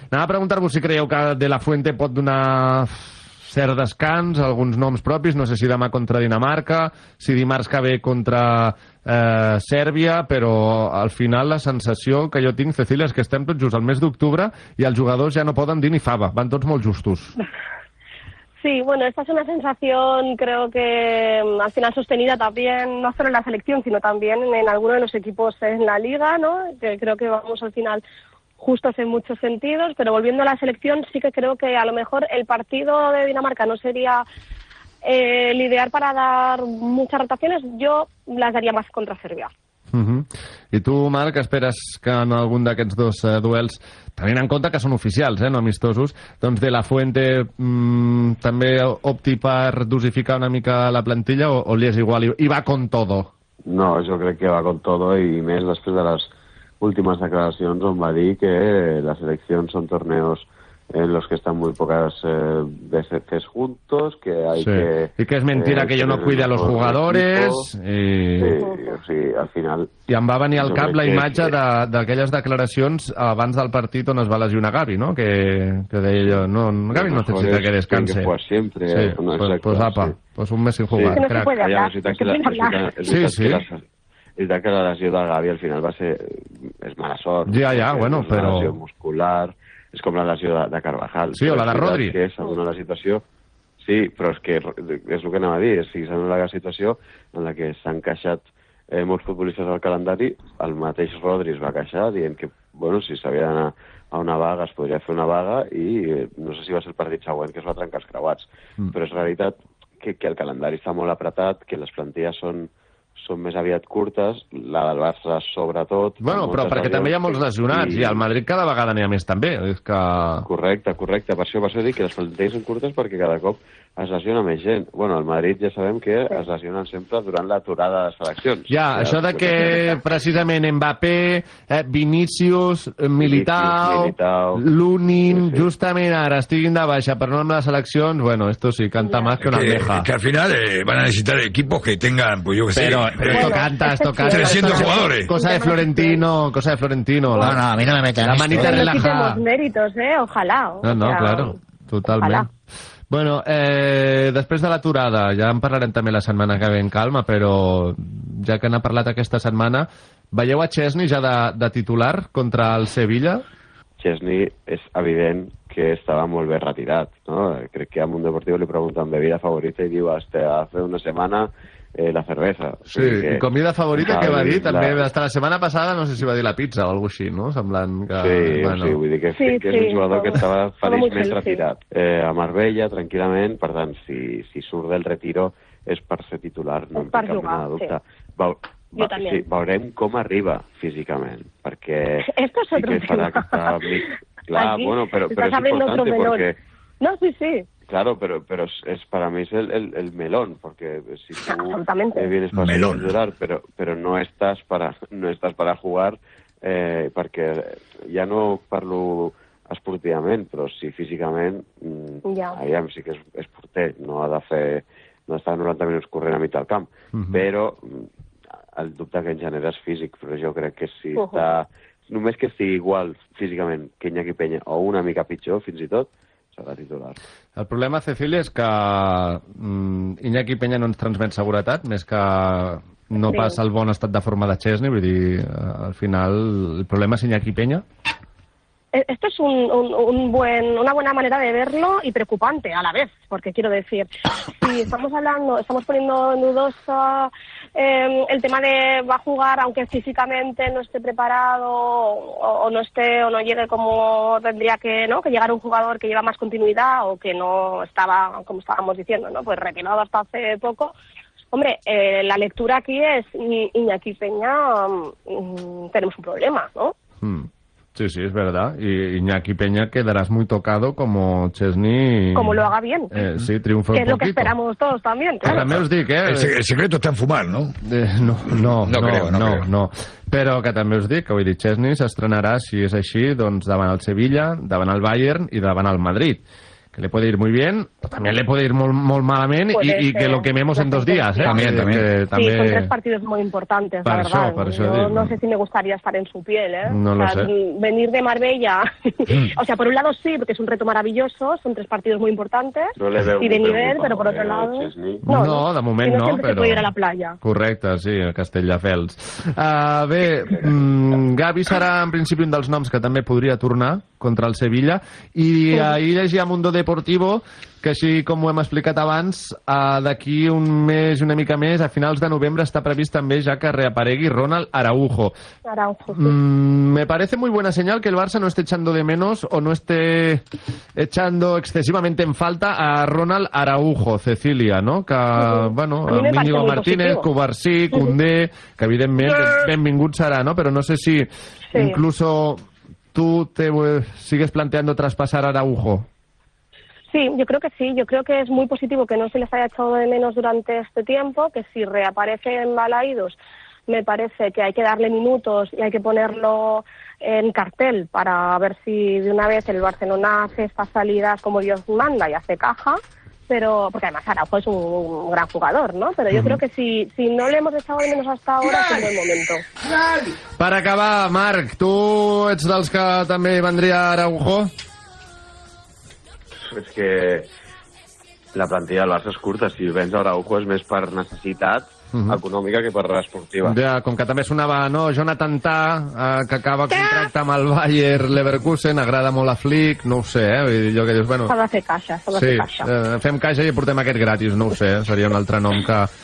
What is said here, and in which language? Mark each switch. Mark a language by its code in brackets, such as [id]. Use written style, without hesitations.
[ca] Anava a preguntar-vos si creieu que De La Fuente pot donar cert descans, alguns noms propis, no sé si demà contra Dinamarca, si dimarts que ve contra Sèrbia, però al final la sensació que jo tinc, Cecília, és que estem tot just al mes d'octubre i els jugadors ja no poden dir ni fava, van tots molt justos. [es] Sí, bueno, esta es una sensación, creo que al final sostenida también, no solo en la selección, sino también en alguno de los equipos en la Liga, ¿no? Que creo que vamos al final justos en muchos sentidos, pero volviendo a la selección, sí que creo que a lo mejor el partido de Dinamarca no sería el ideal para dar muchas rotaciones, yo las daría más contra Serbia. [ca] Uh-huh. I tu, Marc, esperes que en algun d'aquests dos duels, tenint en compte que són oficials, no amistosos, doncs De La Fuente també opti per dosificar una mica la plantilla o li és igual i [es] va con todo? [ca] No, jo crec que [es] va con todo [ca] i més després de les últimes declaracions on va dir que les seleccions són [es] torneos en los que están muy pocas veces juntos, que hay [ca] sí. que... [es] Y que es mentira que yo no cuide a los jugadores. Sí, al final... [ca] Y em va venir al cap la imatge d'aquelles declaracions abans del partit on es va lesionar Gavi, no? Que deia jo, [es] no, Gavi no necesita que descanse. Que juega siempre. Sí, pues apa, pues un mes sin jugar. Es que no se puede hablar. Sí, sí. [ca] És que la lesió de Gavi al final va ser... És mala sort. Ja, ja, bueno, però... La lesió muscular... És com la lesió de Carvajal. Sí, o la de Rodri. Que és una la situació... Sí, però és que és el que anava a dir. És una la situació en la que s'han queixat molts futbolistes al calendari. El mateix Rodri es va queixar dient que, bueno, si s'havia d'anar a una vaga, es podria fer una vaga i no sé si va ser el partit següent que es va trencar els creuats. Mm. Però és realitat que el calendari està molt apretat, que les plantilles són més aviat curtes, la del Barça sobretot... Bueno, però perquè també hi ha molts lesionats, i el Madrid cada vegada n'hi ha més també, és que... Correcte, correcte, per això dic que les plantilles són curtes perquè cada cop es lesiona més gent. Bueno, el Madrid ja sabem que es lesiona sempre durant l'aturada de seleccions. Ja, això de que precisament Mbappé, Vinícius, Militao, Lunin, sí. justament ara estiguin de baixa per nom de seleccions, bueno, [es] esto sí, canta más que una almeja. Que al final van a necessitar equipos que tengan, pues yo que sé... Pero esto canta, esto canta. 300 jugadores. Cosa de Florentino. Bueno, no, a mí no me meten. La manita no relajada. No quitemos méritos, ojalá. No, o sea, claro, totalmente. Ojalá. [ca] Bueno, després de l'aturada, ja en parlarem també la setmana que ve en calma, però ja que n'ha parlat aquesta setmana, veieu a Chesney ja de titular contra el Sevilla? Chesney és evident que estava molt bé retirat, no? Crec que a Mundo Deportivo li pregunten bebida favorita i diu, [es] hasta hace una semana, [ca] la cervesa. Sí, o sigui que, [es] comida favorita, [ca] que va dir, també, hasta la setmana passada, no sé si va dir la pizza o alguna cosa així, no? Semblant que... Sí, bueno. Sí, vull dir que, sí, que és un jugador que estava feliçment retirat. A Marbella, tranquil·lament, per tant, si surt del retiro és per ser titular, no per cap mena de dubte. Sí. Sí, veurem com arriba físicament, perquè... [es] Esto es otro [ca] que farà [es] tema. [ca] Que està... Clar, aquí, bueno, però és important, perquè... No, sí, sí. [es] Claro, pero es para mí es el melón, porque si tú vienes para titular, pero no estás para jugar, porque ya no [ca] parlo esportivament, però sí físicament, aviam, sí que és porter, no ha de fer, no està 90 minuts corrent a mig del camp, però el dubte que en genera és físic, però jo crec que si està, només que estigui igual físicament que Iñaki Peña, o una mica pitjor fins i tot, serà titular. El problema, Cecília, és que Iñaki Peña no ens transmet seguretat, més que no passa el bon estat de forma de Chesney, vull dir, al final, el problema és Iñaki Peña. [es] Esto es una buena manera de verlo y preocupante a la vez, porque quiero decir, si estamos poniendo dudoso el tema de va a jugar aunque físicamente no esté preparado o no llegue como tendría que, ¿no? Que llegar un jugador que lleva más continuidad o que no estaba, como estábamos diciendo, ¿no? Pues retirado hasta hace poco. Hombre, la lectura aquí es Iñaki Peña, tenemos un problema, ¿no? Sí, sí, es verdad. Y Iñaki Peña quedarás muy tocado como Chesney... Como lo haga bien. Sí, triunfa un poquito. Que es lo que esperamos todos también, claro. También os digo, El secreto está en fumar, ¿no? No. [ca] Però que també us dic, que vull dir, Chesney s'estrenarà, si és així, doncs davant el Sevilla, davant el Bayern i davant el Madrid. [es] Que le puede ir muy bien, pero también le puede ir [ca] molt malament [es] y que lo quememos en dos días. También. Sí, [ca] també... [es] son tres partidos muy importantes, la verdad. No sé si me gustaría estar en su piel, ¿eh? No lo sé. Venir de Marbella... O sea, por un lado sí, porque es un reto maravilloso, son tres partidos muy importantes. No le veo y de nivel, pero por otro lado... [ca] No, de moment no, [es] pero... Puede ir a la playa. [ca] Correcte, sí, a Castelldefels. Bé, Gavi serà en principi un dels noms que també podria tornar contra el Sevilla, i ahir llegia Mundo Deportivo, que així com ho hem explicat abans, d'aquí un mes i una mica més, a finals de novembre està previst també ja que reaparegui Ronald Araujo. [es] Me parece muy buena señal que el Barça no esté echando de menos o no esté echando excesivamente en falta a Ronald Araujo, Cecília, no? Que, bueno, Íñigo Martínez, Cubarsí, Koundé, [ca] que evidentment benvingut serà, [es] no? [ca] Però no sé si [es] incluso... ¿Tú te sigues planteando traspasar a Araujo? Sí, yo creo que sí. Yo creo que es muy positivo que no se les haya echado de menos durante este tiempo, que si reaparece en balaídos, me parece que hay que darle minutos y hay que ponerlo en cartel para ver si de una vez el Barcelona hace estas salidas como Dios manda y hace caja. Pero porque además Araujo es un gran jugador, ¿no? Pero yo creo que si no le hemos echado de menos hasta ahora, es un buen momento. Para acabar, [ca] Marc, ¿tú ets dels que també vendria Araujo? Es que la plantilla del Barça es curta. Si vens Araujo és més per necessitat econòmica que per esportiva. Ja, com que també sonava, no, Jonathan Tah, que acaba contracte amb el Bayer Leverkusen, agrada molt a Flick, no ho sé, eh? Vull dir, jo que dius, bueno... S'ha de fer caixa. Fem caixa i portem aquest gratis, no ho sé, seria un altre nom que...